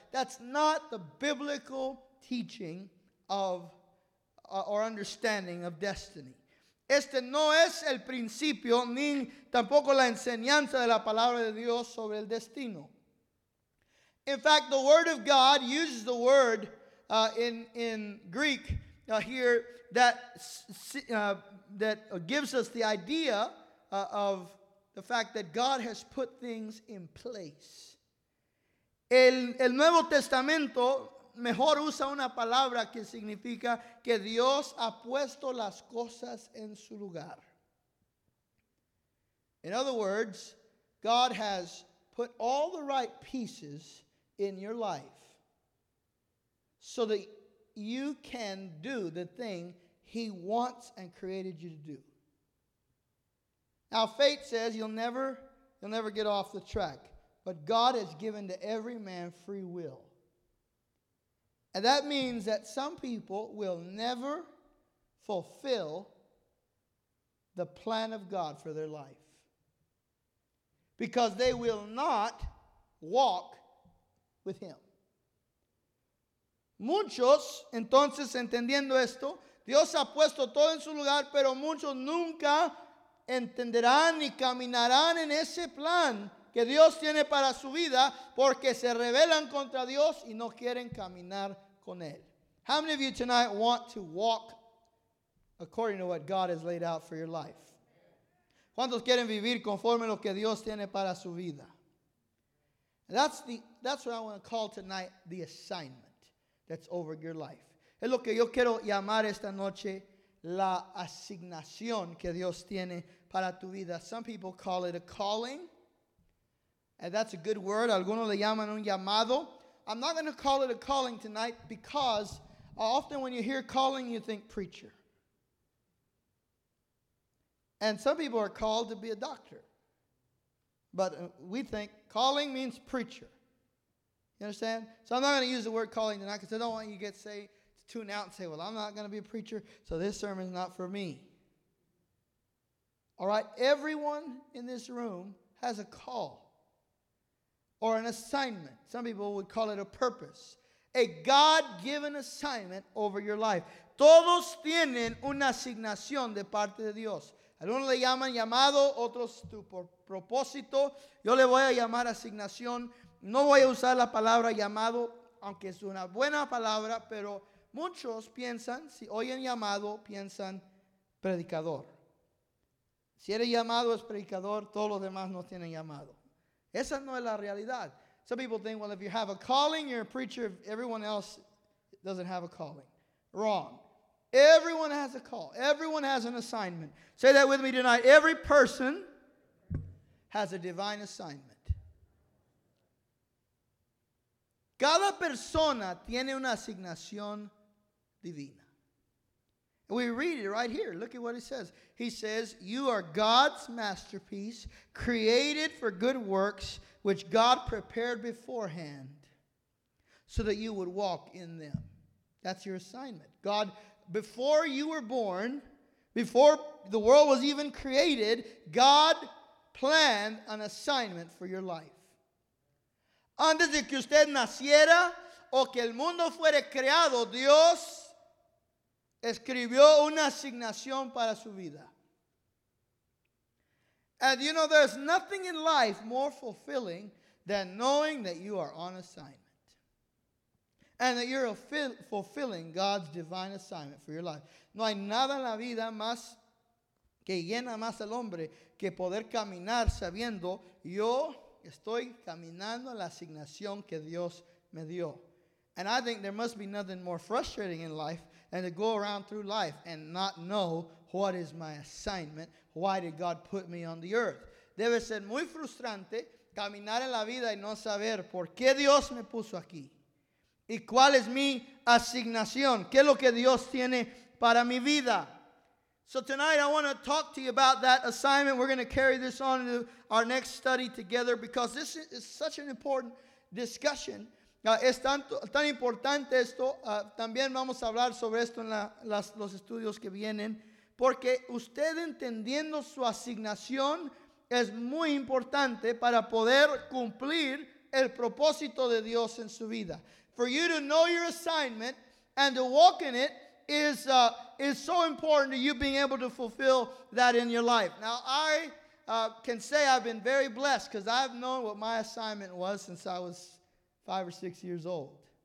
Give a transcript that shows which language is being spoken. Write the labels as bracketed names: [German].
[English] That's not the biblical teaching of or understanding of destiny. [Spanish] Este no es el principio ni tampoco la enseñanza de la palabra de Dios sobre el destino. [English] In fact, the Word of God uses the word in Greek here that gives us the idea of the fact that God has put things in place. [Spanish] El Nuevo Testamento mejor usa una palabra que significa que Dios ha puesto las cosas en su lugar. [English] In other words, God has put all the right pieces in your life so that you can do the thing he wants and created you to do. Now, fate says you'll never get off the track, but God has given to every man free will. And that means that some people will never fulfill the plan of God for their life, because they will not walk with him. [Spanish] Muchos, entonces, entendiendo esto, Dios ha puesto todo en su lugar, pero muchos nunca entenderán ni caminarán en ese plan que Dios tiene para su vida, porque se rebelan contra Dios y no quieren caminar con él. [English] How many of you tonight want to walk according to what God has laid out for your life? [Spanish] ¿Cuántos quieren vivir conforme lo que Dios tiene para su vida? [English] That's what I want to call tonight the assignment that's over your life. [Spanish] Es lo que yo quiero llamar esta noche la asignación que Dios tiene para tu vida. [English] Some people call it a calling, and that's a good word. [Spanish] Algunos le llaman un llamado. [English] I'm not going to call it a calling tonight, because often when you hear calling, you think preacher. And some people are called to be a doctor. But we think calling means preacher. You understand? So I'm not going to use the word calling tonight because I don't want you to get saved, to tune out and say, well, I'm not going to be a preacher, so this sermon's not for me. All right? Everyone in this room has a call or an assignment. Some people would call it a purpose. A God-given assignment over your life. [Spanish] Todos tienen una asignación de parte de Dios. Algunos le llaman llamado, otros tu propósito. Yo le voy a llamar asignación. No voy a usar la palabra llamado, aunque es una buena palabra, pero muchos piensan, si oyen llamado, piensan predicador. Si eres llamado, es predicador, todos los demás no tienen llamado. Esa no es la realidad. [English] Some people think, well, if you have a calling, you're a preacher. If everyone else doesn't have a calling. Wrong. Everyone has a call. Everyone has an assignment. Say that with me tonight. Every person has a divine assignment. [Spanish] Cada persona tiene una asignación divina. [English] We read it right here. Look at what it says. He says, you are God's masterpiece, created for good works, which God prepared beforehand so that you would walk in them. That's your assignment. God, before you were born, before the world was even created, God planned an assignment for your life. [Spanish] Antes de que usted naciera o que el mundo fuera creado, Dios escribió una asignación para su vida. [English] And you know, there's nothing in life more fulfilling than knowing that you are on assignment. And that you're fulfilling God's divine assignment for your life. [Spanish] No hay nada en la vida más que llena más al hombre que poder caminar sabiendo yo estoy caminando la asignación que Dios me dio. [English] And I think there must be nothing more frustrating in life and to go around through life and not know what is my assignment. Why did God put me on the earth? [Spanish] Debe ser muy frustrante caminar en la vida y no saber por qué Dios me puso aquí. Y cuál es mi asignación. ¿Qué es lo que Dios tiene para mi vida? [English] So tonight I want to talk to you about that assignment. We're going to carry this on to our next study together because this is such an important discussion. [Spanish] Es tan importante esto, también vamos a hablar sobre esto en los estudios que vienen, porque usted entendiendo su asignación es muy importante para poder cumplir el propósito de Dios en su vida. [English] For you to know your assignment and to walk in it is so important to you being able to fulfill that in your life. Now, I can say I've been very blessed because I've known what my assignment was since I was 5 or 6 years old.